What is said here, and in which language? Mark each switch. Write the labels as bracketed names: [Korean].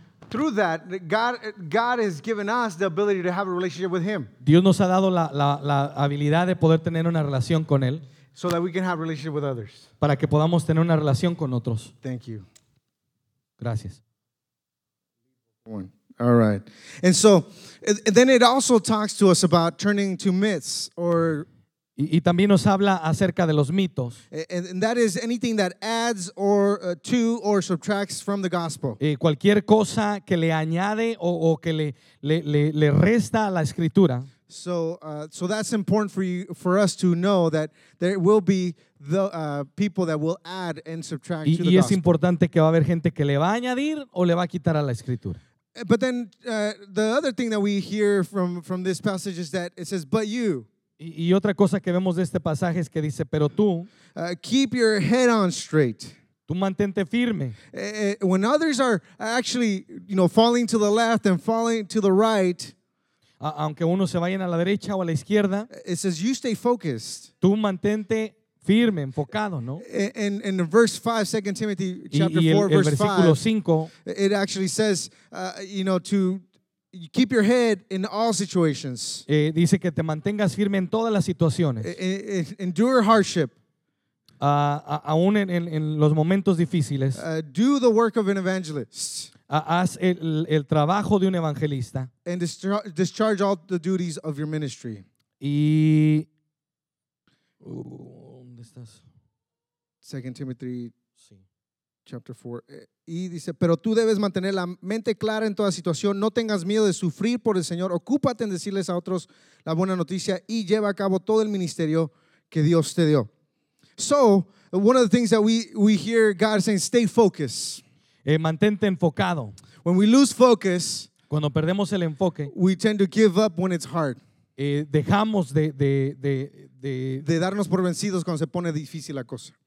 [English] through that, God has given us the ability to have a relationship with Him. [Spanish] Dios nos ha dado la habilidad de poder tener una relación con Él. [English] So that we can have a relationship with others. [Spanish] Para que podamos tener una relación con otros. [English] Thank you. [Spanish] Gracias. [English] All right. And so, then it also talks to us about turning to myths or [Spanish] y también nos habla acerca de los mitos. [English] And that is anything that adds or subtracts from the gospel. [Spanish] Cualquier cosa que le añade o que le resta a la escritura. [English] So that's important for us to know that there will be the people that will add and subtract to the gospel. [Spanish] Y es importante que va a haber gente que le va a añadir o le va a quitar a la escritura. [English] But then the other thing that we hear from this passage is that it says, but you. [Spanish] Y otra cosa que vemos de este pasaje es que dice, pero tú, [English] keep your head on straight. [Spanish] Tú mantente firme. [English] When others are actually, you know, falling to the left and falling to the right, [Spanish] aunque uno se vaya a la derecha o a la izquierda, [English] it says you stay focused. [Spanish] Tú mantente firme, enfocado, ¿no? [English] In verse 5, 2 Timothy chapter 4, [Spanish] el [English] verse 5, [Spanish] versículo 5, [English] it actually says, you know, to you keep your head in all situations. [Spanish] Dice que te mantengas firme en todas las situaciones. [English] Endure hardship. [Spanish] Aún en los momentos difíciles. [English] Do the work of an evangelist. [Spanish] Haz el trabajo de un evangelista. [English] And discharge all the duties of your ministry. [Spanish] Y ¿dónde estás? [English] 2 Timothy chapter 4. [Spanish] Y dice, pero tú debes mantener la mente clara en toda situación. No tengas miedo de sufrir por el Señor. Ocúpate en decirles a otros la buena noticia y lleva a cabo todo el ministerio que Dios te dio. [English] So, one of the things that we hear God saying, stay focused. [Spanish] Mantente enfocado. [English] When we lose focus, [Spanish] cuando perdemos el enfoque, [English] we tend to give up when it's hard. [Spanish] Dejamos de darnos por vencidos cuando se pone difícil la cosa.